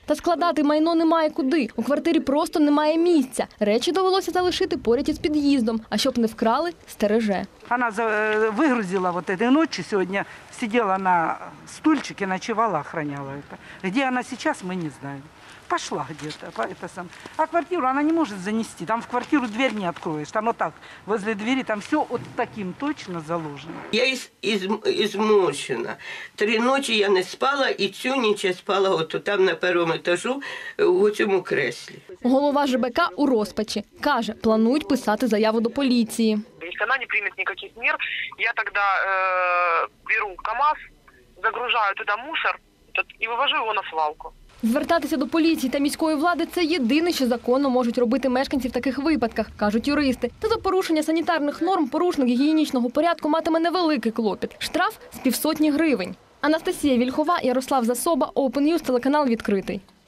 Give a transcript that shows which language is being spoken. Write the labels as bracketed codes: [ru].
[uk] Та складати майно немає куди, у квартирі просто немає місця. Речі довелося залишити поряд із під'їздом, а щоб не вкрали, стереже. Вона вигрузила от цієї ночі сьогодні, сиділа на стульчик і ночувала, охраняла. Де вона зараз, ми не знаємо. [ru] Пошла где-то, а квартиру она не может занести, там в квартиру дверь не откроешь, там вот так, возле двери, там все вот таким точно заложено. Я измучена, 3 ночи я не спала и всю ніч я спала вот там на первом этажу, в этом кресле. [uk] Голова ЖБК у розпачі. Каже, планують писати заяву до поліції. [ru] Если она не примет никаких мер, я тогда беру КамАЗ, загружаю туда мусор и вивожу его на свалку. [uk] Звертатися до поліції та міської влади – це єдине, що законно можуть робити мешканці в таких випадках, кажуть юристи. Та за порушення санітарних норм порушник гігієнічного порядку матиме невеликий клопіт. Штраф – з 500 гривень. Анастасія Вільхова, Ярослав Засоба, Open News, телеканал «Відкритий».